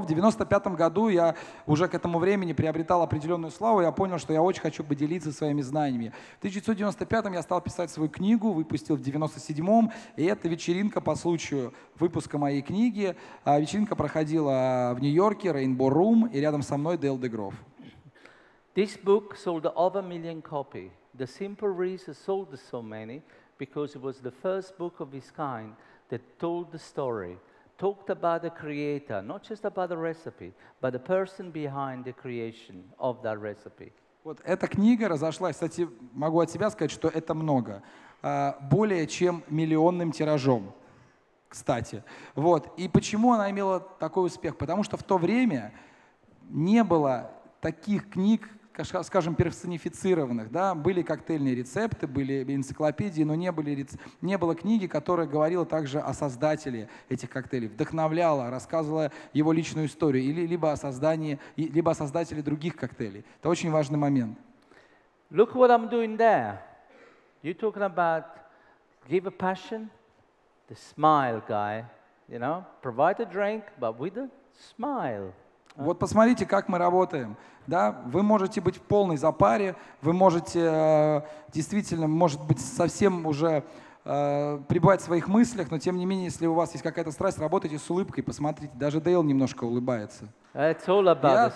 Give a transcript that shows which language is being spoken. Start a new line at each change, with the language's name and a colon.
Russian: В 95-м году я уже к этому времени приобретал определенную славу, я понял, что я очень хочу поделиться своими знаниями. В 1995-м я стал писать свою книгу, выпустил в 97-м, и это вечеринка по случаю выпуска моей книги. Вечеринка проходила в Нью-Йорке, Rainbow Room, и рядом со мной Дейл Дегро.
English: This book sold over a million copies. The simple reason sold so many because it was the first book of its kind that told the story, talked about the creator, not just about the recipe, but the person behind the creation of that recipe.
Russian: Вот эта книга разошлась, кстати, могу от себя сказать, что это много, более чем миллионным тиражом, кстати. Вот. И почему она имела такой успех? Потому что в то время не было таких книг, скажем, персонифицированных, да, были коктейльные рецепты, были энциклопедии, но не было книги, которая говорила также о создателе этих коктейлей, вдохновляла, рассказывала его личную историю, или, либо о создателе других коктейлей. Это очень важный момент.
English: Look what I'm doing there. You're talking about give a passion, the smile guy, you know, provide a drink, but with a smile.
Russian: Вот посмотрите, как мы работаем. Да? Вы можете быть в полной запаре, вы можете действительно, может быть, совсем уже пребывать в своих мыслях, но тем не менее, если у вас есть какая-то страсть, работайте с улыбкой, посмотрите, даже Дейл немножко улыбается.
English: It's all about